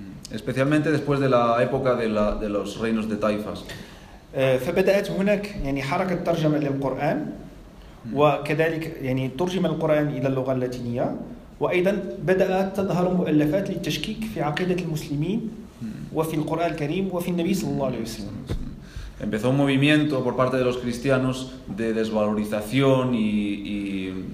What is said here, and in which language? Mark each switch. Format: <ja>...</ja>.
<es>Especialmente después de la época de los reinos de Taifas.</es> <ar>فبدأت هناك يعني حركة ترجمة للقرآن. وكذلك يعني ترجم القرآن إلى اللغة اللاتينية وأيضا بدأت تظهر مؤلفات للتشكيك في عقيدة المسلمين وفي القرآن الكريم وفي النبي صلى الله عليه وسلم.</ar> <es>Empezó un movimiento por parte de los cristianos de desvalorización y</es>